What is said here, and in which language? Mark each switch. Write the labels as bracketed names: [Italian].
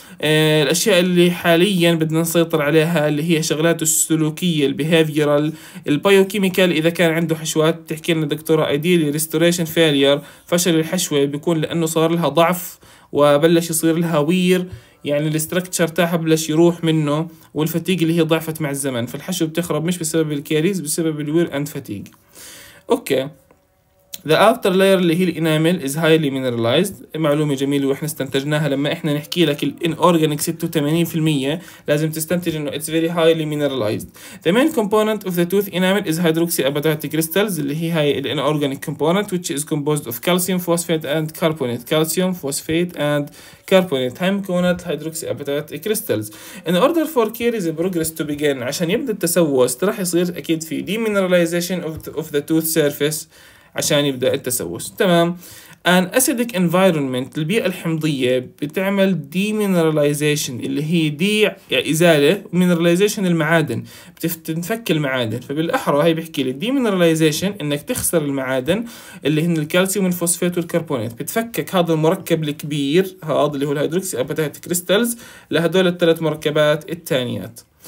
[Arabic] الاشياء اللي حاليا بدنا نسيطر عليها اللي هي شغلاته السلوكيه البيهافير البايوكيميكال اذا كان عنده حشوات بتحكي لنا دكتوره ايديلي ريستوريشن فيلير فشل الحشوه بيكون لانه صار لها ضعف وبلش يصير لها وير يعني الاستراكشر تاعها بلش يروح منه والفتيق اللي هي ضعفت مع الزمن فالحشوه بتخرب مش بسبب الكاريز بسبب الوير اند فتيق. [English] Okay The outer layer اللي هي الإنامل is highly mineralized. [Arabic] معلومة جميلة وإحنا استنتجناها لما إحنا نحكي لك الـ inorganic 86% لازم تستنتج إنه [English] it's very highly mineralized. The main component of the tooth enamel is hydroxyapatite crystals اللي هي هاي الـ inorganic component which is composed of calcium phosphate and carbonate. Calcium phosphate and carbonate هاي مكونات hydroxyapatite crystals. In order for caries progress to begin عشان يبدأ التسوس راح يصير أكيد في demineralization of the tooth surface عشان يبدأ التسوس. [Arabic] تمام An acidic environment البيئة الحمضية بتعمل demineralization اللي هي دي يعني إزالة mineralization المعادن بتنفك المعادن فبالأحرى هي بيحكي لي demineralization إنك تخسر المعادن اللي هن الكالسيوم والفوسفات والكربونات بتفكك هذا المركب الكبير هذا اللي هو الهيدروكسي أبتات كريستالز لهدول الثلاث مركبات التانيات.